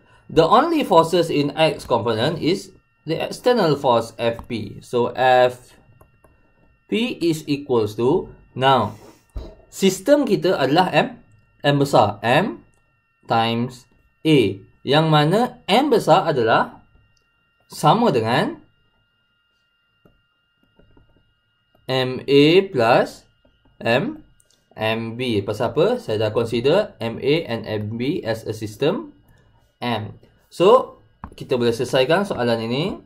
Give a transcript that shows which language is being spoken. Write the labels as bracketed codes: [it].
[en] The only forces in X component is the external force Fp. So Fp is equals to, now [ms] sistem kita adalah M besar, [en] M times A, [ms] yang mana M besar adalah sama dengan MA plus MB. Pasal apa? Saya dah consider MA and MB as a system M. So, kita boleh selesaikan soalan ini.